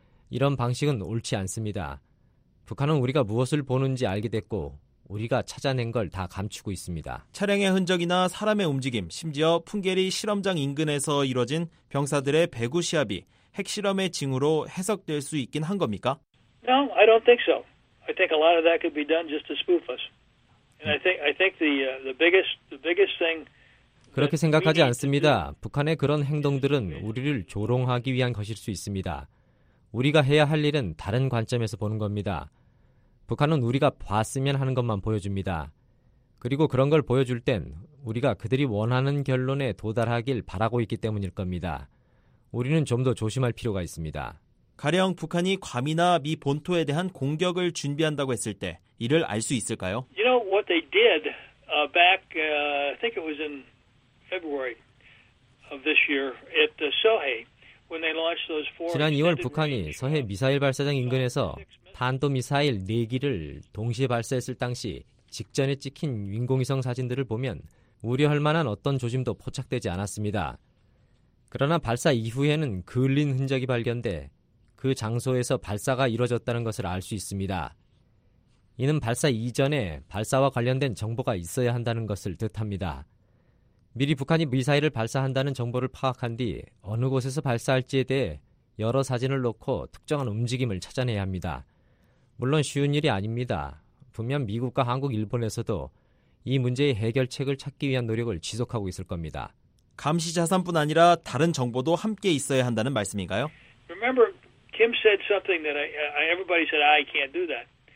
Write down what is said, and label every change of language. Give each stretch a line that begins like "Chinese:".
Korean: 이런 방식은 옳지 않습니다. 북한은 우리가 무엇을 보는지 알게 됐고 우리가 찾아낸 걸 다 감추고 있습니다. 차량의 흔적이나 사람의 움직임, 심지어 풍계리 실험장 인근에서 이뤄진 병사들의 배구 시합이 핵실험의 징후로 해석될 수 있긴 한 겁니까?
English: No, I don't think so. I think a lot of that could be done just to spoof us. And I think the biggest thing.
Korean: 그렇게 생각하지 않습니다. 북한의 그런 행동들은 우리를 조롱하기 위한 것일 수 있습니다. 우리가 해야 할 일은 다른 관점에서 보는 겁니다. 북한은 우리가 봤으면 하는 것만 보여줍니다. 그리고 그런 걸 보여줄 땐 우리가 그들이 원하는 결론에 도달하길 바라고 있기 때문일 겁니다. 우리는 좀 더 조심할 필요가 있습니다. 가령 북한이 괌이나 미 본토에 대한 공격을 준비한다고 했을 때 이를 알 수 있을까요?
English: You know what they did back I think it was in February of this year at the Sohae when they launched those four
Korean: 지난 2월 북한이 서해 미사일 발사장 인근에서 탄도 미사일 4기를 동시에 발사했을 당시 직전에 찍힌 인공위성 사진들을 보면 우려할 만한 어떤 조짐도 포착되지 않았습니다. 그러나 발사 이후에는 그을린 흔적이 발견돼 그 장소에서 발사가 이뤄졌다는 것을 알 수 있습니다. 이는 발사 이전에 발사와 관련된 정보가 있어야 한다는 것을 뜻합니다. 미리 북한이 미사일을 발사한다는 정보를 파악한 뒤 어느 곳에서 발사할지에 대해 여러 사진을 놓고 특정한 움직임을 찾아내야 합니다. 물론 쉬운 일이 아닙니다. 분명 미국과 한국, 일본에서도 이 문제의 해결책을 찾기 위한 노력을 지속하고 있을 겁니다. 감시 자산뿐 아니라 다른 정보도 함께 있어야 한다는 말씀인가요?
English: Remember, Kim said something that everybody said, I can't do that.